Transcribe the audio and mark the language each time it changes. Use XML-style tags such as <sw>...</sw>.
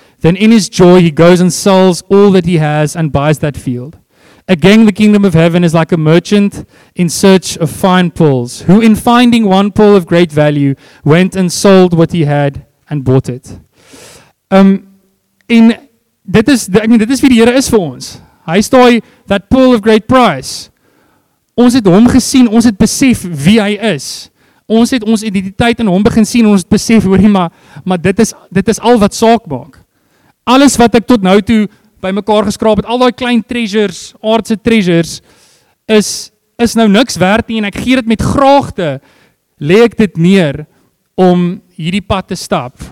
<en>Then in his joy he goes and sells all that he has and buys that field. Again, the kingdom of heaven is like a merchant in search of fine pearls, who in finding one pearl of great value went and sold what he had and bought it.</en> <af>En dit is wie die Here is vir ons. Hy is daai</af> <en>that pearl of great price.</en> <af>Ons het hom gesien, ons het besef wie hy is. Ons het ons identiteit in hom begin sien, ons het besef, hoorie, maar dit is al wat saak maak. Alles wat ek tot nou toe by mekaar geskraap het, al daai klein treasures, aardse treasures, is nou niks werd nie en ek gee dit met graagte, lê ek dit neer om hierdie pad te stap.</af>